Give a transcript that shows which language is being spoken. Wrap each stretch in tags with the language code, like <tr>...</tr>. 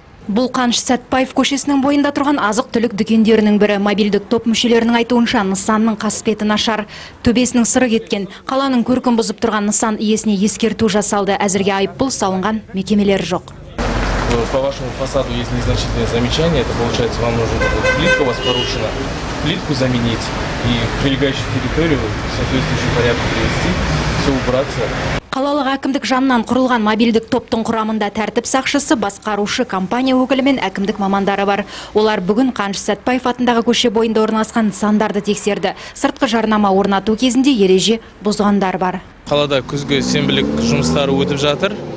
<kk>Бұл Қаныш Сәтбаев көшесінің бойында тұрған азық түлік дүкендерінің бірі. Мобильдік топ мүшелерінің айтуынша нысанның қасбеті нашар, төбесінің сыры кеткен, қаланың көркін бұзып тұрған нысан иесіне ескерту жасалды. Әзірге айыппұл салынған мекемелер жоқ.</kk> <ru>По вашему фасаду есть незначительное замечание. Это получается, вам нужно плитка у вас порушена, плитку заменить и прилегающую территорию соответствующий порядок привести, все убраться.</ru> <kk>Қалалық әкімдік жанынан құрылған мобильдік топтың құрамында тәртіп сақшысы, басқарушы, компания өкілі мен әкімдік мамандары бар. Олар бүгін Қаныш Сәтбаев атындағы көше бойында орналасқан нысандарды тексерді. Сыртқы жарнама орнату кезінде ереже бұзғандар бар. Қалада күзгі сенбілік жұмыстары өтіп жатыр.</kk>